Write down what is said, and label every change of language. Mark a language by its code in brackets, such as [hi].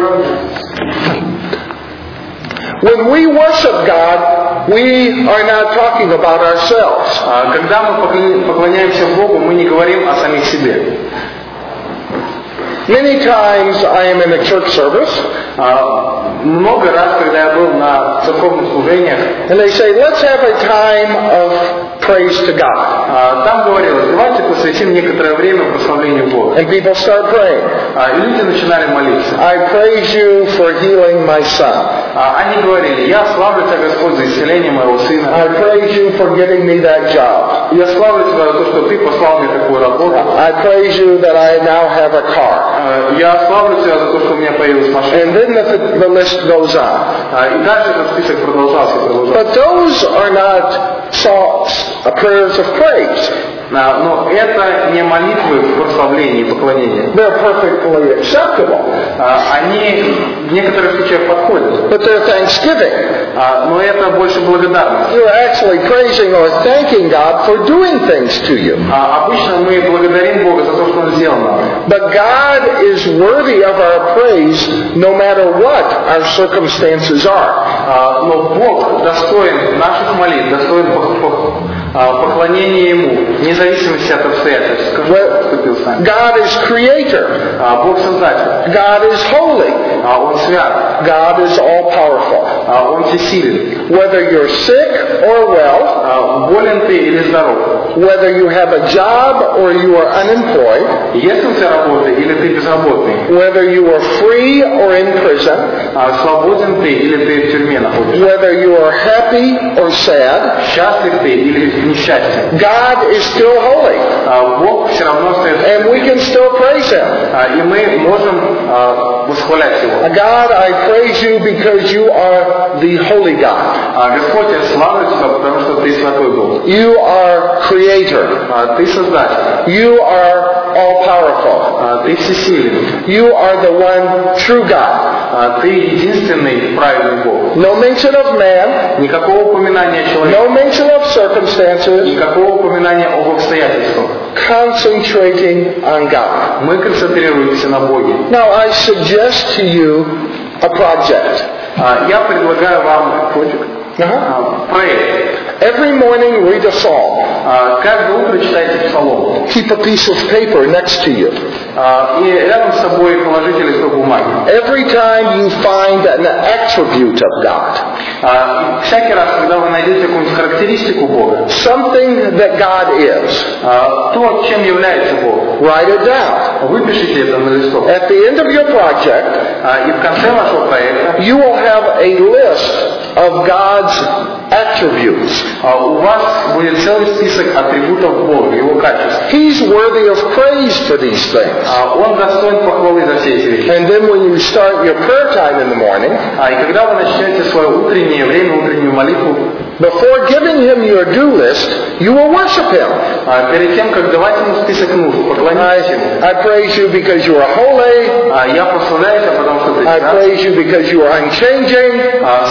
[en] When we worship God, we are not talking about ourselves. [ru] Когда мы поклоняемся Богу, мы не говорим о самих себе. [en] Many times I am in a church service. [ru] Много раз, когда я был на церковных служениях, [en] and they say, "Let's have a time of praise to God." [ru] Там говорилось, давайте посвятим некоторое время прославлению Бога. [en] And people start praying. [ru] Люди начинали молиться. [en] I praise you for healing my son. [ru] Они говорили: «Я славлю тебя, Господь, за исцеление моего сына». [en] I praise you for giving me that job. [ru] Я славлю тебя за то, что ты послал мне такую работу. [en] I praise you that I now have a car. [ru] Я славлю тебя за то, что у меня появилась машина. [en] And then the list goes on. [ru] И дальше этот список продолжался. [en] But those are not thoughts, prayers of praise. [ru] Но это не молитвы в прославлении, поклонении. [en] They're perfectly acceptable. [ru] Они в некоторых случаях подходят. [en] But they're thanksgiving. [ru] Но это больше благодарность. [en] You're actually praising or thanking God for doing things to you. [ru] Обычно мы благодарим Бога за то, что Он сделал нам. [en] But God is worthy of our praise no matter what our circumstances are. [ru] Но Бог достоин наших молитв, достоин поклонение Ему, вне зависимости от обстоятельств. [en] God is creator. [ru] Бог создатель. [en] God is holy. [ru] Он свят. [en] God is all powerful. [ru] Он всесилен. [en] Whether you're sick or well, [ru] болен ты или здоров. [en] Whether you have a job or you are unemployed, [ru] есть у тебя работа или ты безработный. [en] Whether you are free or in prison, [ru] свободен ты или ты в тюрьме находишься. [en] Whether you are happy or sad, [ru] счастлив ты или [en] God is still holy. [ru] Бог все равно стоит. [en] And we can still praise Him. [ru] И мы можем восхвалять Его. [en] God, I praise You because You are the holy God. [ru] Господь, я славлю Тебя, потому что Ты святой Бог. [en] You are Creator. [ru] Ты создатель. [en] You are all powerful. [ru] Ты всесилен. [en] You are the one true God. [ru] Ты единственный правильный Бог. [en] No mention of man. [ru] Никакого упоминания человека. [en] No mention of circumstances. [ru] Никакого упоминания об обстоятельствах. [en] Concentrating on God. [ru] Мы концентрируемся на Боге. [en] Now I suggest to you a project. [ru] Я предлагаю вам [en] project. [ru] Проект. [en] Every morning read a psalm. [ru] Каждое утро читайте псалом. [en] Keep a piece of paper next to you. [ru] И рядом с собой положите листок бумаги. [en] Every time you find an attribute of God. [ru] Всякий раз, когда вы найдете какую-нибудь характеристику Бога. [en] Something that God is. [ru] То, чем является Бог. [en] Write it down. [ru] Выпишите это на листок. [en] At the end of your project. [ru] И в конце вашего проекта. [en] You will have a list of God's attributes. [ru] У вас будет целый список атрибутов Бога, Его качеств. [en] He's worthy of praise for these things. [ru] Он достоин похвалы за все эти вещи. [en] And then when you start your prayer time in the morning, [ru] и когда вы начнете свое утреннее время, утреннюю молитву, [en] before giving Him your due list, you will worship Him. [ru] Перед тем, как давать Ему список нужд, поклоняйтесь Ему. [en] I praise You because You are holy. [ru] Я прославляю Тебя, потому что Ты святой. [en] I praise You because You are unchanging.